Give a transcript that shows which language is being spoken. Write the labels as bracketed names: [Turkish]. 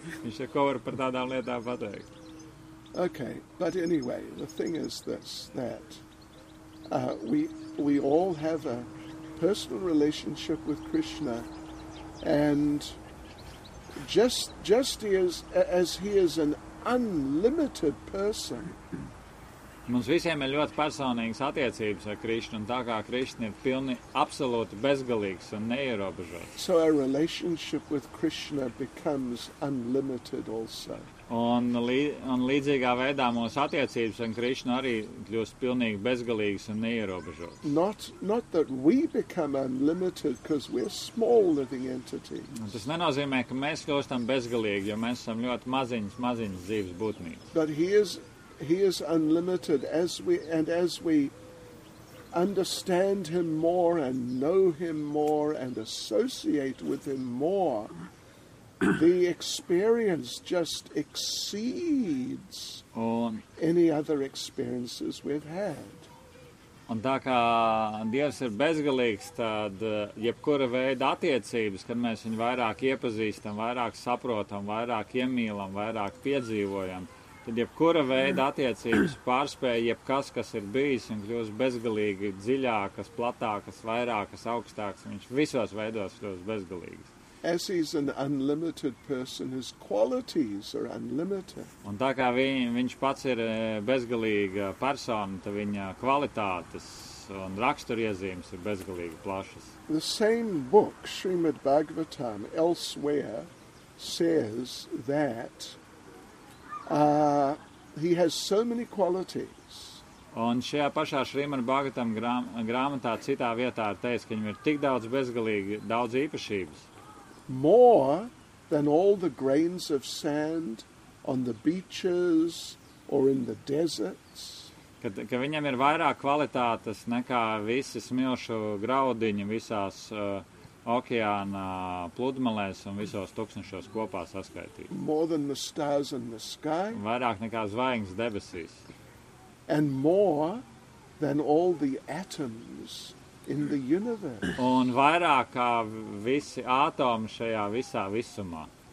[Latvian] Viņš saka, ko var par tādām lietām pateikt? [English] Okay, but anyway, the thing is this, that we all have a personal relationship with Krishna, and just as he is an unlimited person. [Latvian] Mums visiem ir ļoti personīgas attiecības ar Krishnu, un tā kā Krishna ir pilni absolūti bezgalīgs un neierobežots. [English] So our relationship with Krishna becomes unlimited also. [Latvian] Un līdzīgā veidā mūsu attiecības ar Krishnu arī kļūst pilnīgi bezgalīgas un neierobežotas. [English] Not that we become unlimited because we're small living entity. [Latvian] Tas nenozīmē, ka mēs kļūstam bezgalīgi, jo mēs esam ļoti maziņas dzīves būtnības. [English] But he is unlimited as we understand him more and know him more and associate with him more. The experience just exceeds any other experiences we've had. [Latvian] Un tā kā Dievs ir bezgalīgs, tad jebkura veida attiecības, kad mēs viņu vairāk iepazīstam, vairāk saprotam, vairāk iemīlam, vairāk piedzīvojam, tad jebkura veida attiecības pārspēja jebkas, kas ir bijis un kļūst bezgalīgi dziļākas, platākas, vairākas, augstākas, viņš visos veidos kļūst bezgalīgs. [English] As he's an unlimited person, his qualities are unlimited. [Latvian] Un tā kā viņš pats ir bezgalīga persona, tad viņa kvalitātes un raksturiezīmes ir bezgalīgi plašas. [English] The same book, Srimad Bhagavatam, elsewhere, says that he has so many qualities. [Latvian] Un šajā pašā Srimad Bhagavatam grāmatā citā vietā ir teicis, ka viņam ir tik daudz bezgalīgi daudz īpašības. [English] More than all the grains of sand on the beaches or in the deserts. [Latvian] Ka viņam ir vairāk kvalitātes nekā visi smilšu graudiņi visās okeāna pludmalēs un visos tūkstošos kopā saskaitīt. [English] More than the stars in the sky. [Latvian] Vairāk nekā zvaigznes debesīs. [English] And more than all the atoms in the universe. [Latvian] Un vairāk kā visi atomi šajā visā visumā.